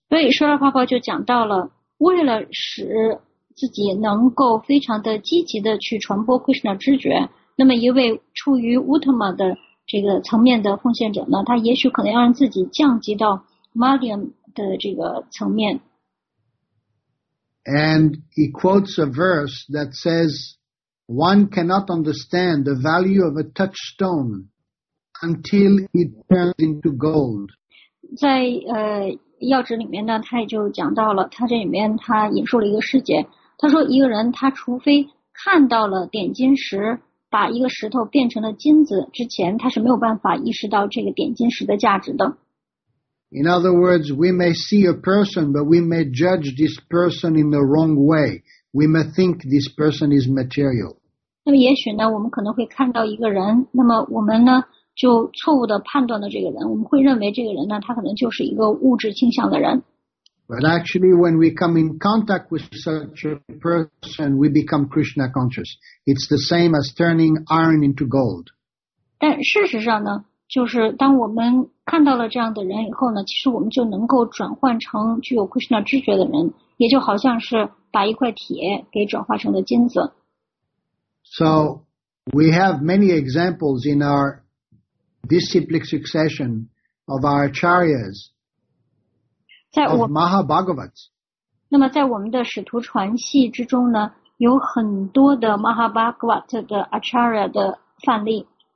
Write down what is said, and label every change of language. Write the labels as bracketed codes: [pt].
[zh] 所以说呢，Prabhupada就讲到了。为了使自己能够非常的积极的去传播 Krishna 知觉，那么一位处于 Uttama 的这个层面的奉献者呢，他也许可能要让自己降级到 Madhyam 的这个层面。 [en] And he quotes a verse that says, one cannot understand the value of a touchstone until it turns into gold. [zh] 在要旨里面呢，他也就讲到了，他这里面他引述了一个师姐，他说一个人他除非看到了点金石，把一个石头变成了金子之前，他是没有办法意识到这个点金石的价值的。 [en] In other words, we may see a person, but we may judge this person in the wrong way. We may think this person is material. [zh] 那么也许呢，我们可能会看到一个人，那么我们呢？就错误地判断了这个人，我们会认为这个人呢，他可能就是一个物质倾向的人。 [en] But actually, when we come in contact with such a person, we become Krishna conscious. It's the same as turning iron into gold. [zh] 但事实上呢，就是当我们看到了这样的人以后呢，其实我们就能够转换成具有 Krishna 知觉的人，也就好像是把一块铁给转化成了金子。 [en] So we have many examples in our disciplic succession of our acharyas of Mahabhagavats. [zh] 那么在我们的使徒传系之中呢，有很多的 Mahabhagavat 的 acharya 的范例。